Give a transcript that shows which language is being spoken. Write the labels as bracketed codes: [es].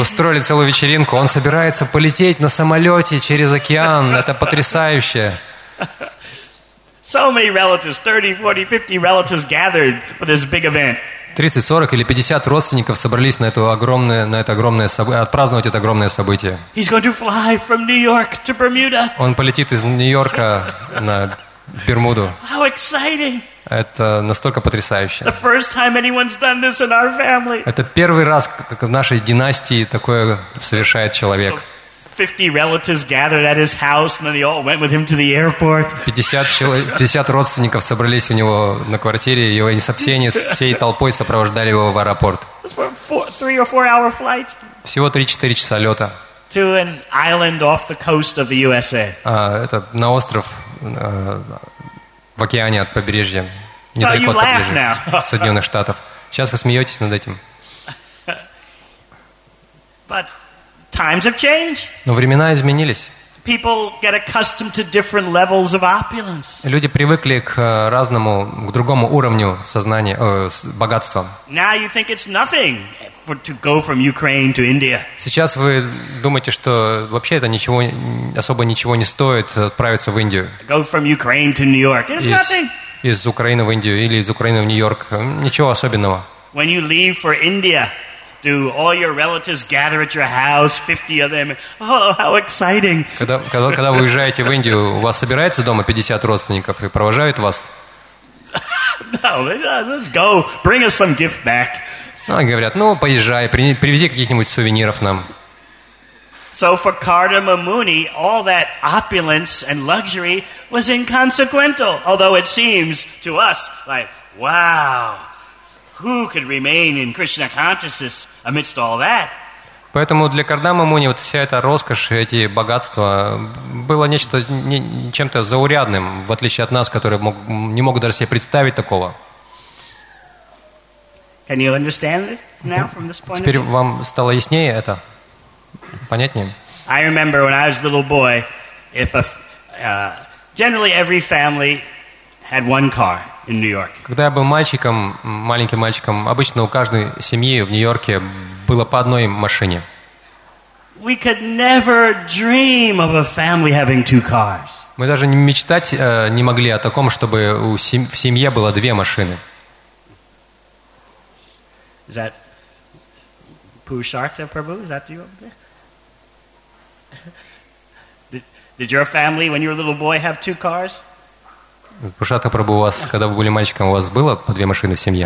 [ru] Устроили целую вечеринку. Он собирается полететь на самолете через океан. Это потрясающе. [en] So many relatives, 30, 40, 50 relatives gathered for this big event. [ru] 30, 40 или 50 родственников собрались отпраздновать это огромное событие. [en] He's going to fly from New York to Bermuda. [ru] Он полетит из Нью-Йорка на Бермуду. [en] How exciting! [ru] Это настолько потрясающе. [en] The first time anyone's done this in our family. [ru] Это первый раз, как в нашей династии такое совершает человек. [en] 50 relatives gathered at his house, and then they all went with him to the airport. [ru] 50 родственников собрались у него на квартире, и они всей толпой сопровождали его в аэропорт. [en] Three or four-hour flight. [ru] Всего 3-4 часа лета. [en] To an island off the coast of the USA. [ru] Это на остров в океане от побережья. [en] So you laugh now. [ru] Соединенных Штатов. Сейчас вы смеетесь над этим. [en] But times have changed. [ru] Но времена изменились. [en] People get accustomed to different levels of opulence. [ru] Люди привыкли к разному, к другому уровню сознания, богатства. [en] Now you think it's nothing to go from Ukraine to India. Сейчас вы думаете, что вообще это ничего, особо ничего не стоит отправиться в Индию. Go from Ukraine to New York. It's nothing. [ru] Из Украины в Индию или из Украины в Нью-Йорк. Ничего особенного. [en] When you leave for India, do all your relatives gather at your house, 50 of them? Oh, how exciting! [ru] Когда вы уезжаете в Индию, у вас собирается дома 50 родственников и провожают вас? [en] No, let's go. Bring us some gift back. [ru] Они говорят: ну, поезжай, привези каких-нибудь сувениров нам. [en] So for Cardamom Muni, all that opulence and luxury was inconsequential, although it seems to us like, wow. Who could remain in Krishna consciousness amidst all that? [ru] Поэтому для Кардама Муни вот вся эта роскошь, эти богатства было нечто чем-то заурядным, в отличие от нас, которые не могут даже себе представить такого. [en] Can you understand it now from this point? [ru] Теперь вам стало яснее это? Понятнее? [en] I remember when I was a little boy, if a generally every family had one car. In New York. [ru] Когда я был мальчиком, маленьким мальчиком, обычно у каждой семьи в Нью-Йорке было по одной машине. [en] We could never dream of a family having two cars. [ru] Мы даже мечтать не могли о таком, чтобы в семье было две машины. [en] Is that Pusharta Prabhu? Is that you up there? Did your family, when you were a little boy, have two cars? [ru] Пушата Прабху, у вас, когда вы были мальчиком, у вас было по две машины в семье?